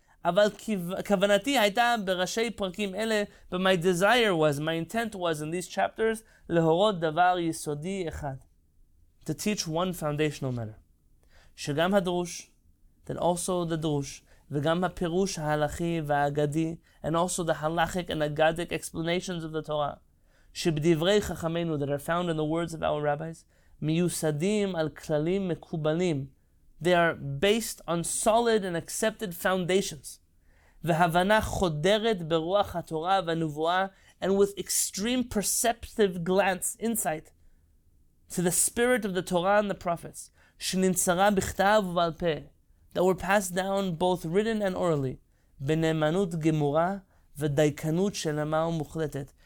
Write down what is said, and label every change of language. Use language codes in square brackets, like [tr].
[en] But my desire was, my intent was in these chapters, [he] lehorot davar yisodi echad, [en] to teach one foundational matter. [he] Shegam hadrush, [en] then also the drush, [he] v'gam hapirush halachi v'agadi, [en] and also the halachic and agadic explanations of the Torah. [he] שבדברי חכמינו, [en] that are found in the words of our rabbis, [he] מיוסדים על כללים מקובלים. [en] They are based on solid and accepted foundations. [he] והבנה חודרת ברוח התורה והנבואה, [en] and with extreme perceptive glance, insight, to the spirit of the Torah and the prophets, [he] שנמצרה בכתב ובעל פה, [en] that were passed down both written and orally, [he] בנאמנות גמורה ודייקנות שלמה ומוחלטת.